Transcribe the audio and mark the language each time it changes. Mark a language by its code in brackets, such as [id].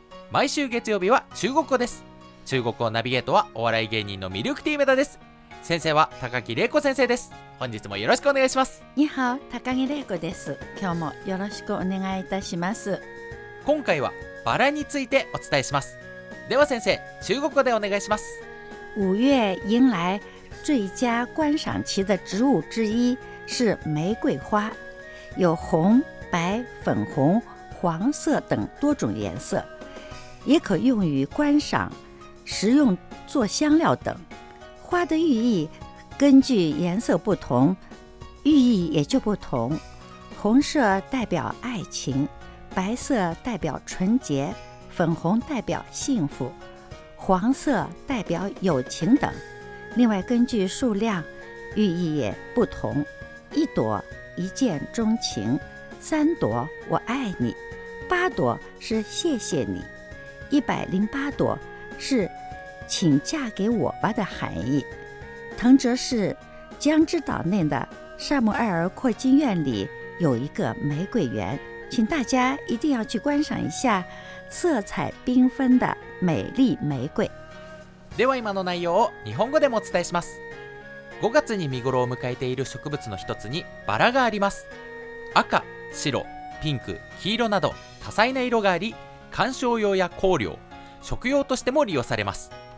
[ja] 毎週月曜日は中国語です。中国語ナビゲートはお笑い芸人のミルクティーメダです。先生は高木玲子先生です。本日もよろしくお願いします。ニハオ、高木玲子です。今日もよろしくお願いいたします。今回はバラについてお伝えします。では先生、中国語でお願いします。 [zh] 五月迎来最佳观赏期的植物之一是玫瑰花，有红、白、粉红、黄色等多种颜色，也可用于观赏、食用、做香料等。花的寓意根据颜色不同，寓意也就不同。红色代表爱情，白色代表纯洁，粉红代表幸福，黄色代表友情等。另外根据数量寓意也不同，一朵一见钟情，三朵我爱你，八朵是谢谢你，108朵是请嫁给我吧的含义。藤泽市江之岛内的萨姆埃尔阔金院里有一个玫瑰园，请大家一定要去观赏一下色彩缤纷的美丽玫瑰。 [ja] では今の内容を日本語でもお伝えします。5月に見ごろを迎えている植物の一つにバラがあります。赤、白、ピンク、黄色など多彩な色があり、観賞用や香料、食用としても利用されます。